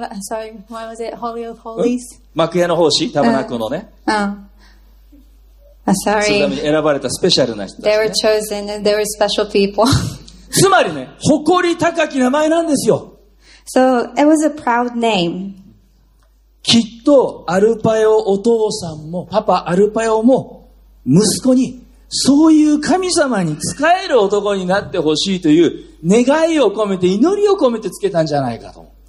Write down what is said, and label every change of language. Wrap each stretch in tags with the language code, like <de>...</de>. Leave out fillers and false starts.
<en>Holy of Holies?</en> <ja>幕屋の奉仕、タバナクのね。</ja> <en>Sorry.</en> <ja>そのために選ばれたスペシャルな人たち、ね。</ja> <en>They were chosen and they were special people.</en> <ja>つまりね、誇り高き名前なんですよ。</ja> <en>So it was a proud name.</en> <ja>きっとアルパヨお父さんも、パパアルパヨも、息子に、そういう神様に仕える男になってほしいという願いを込めて、祈りを込めてつけたんじゃないかと。</ja>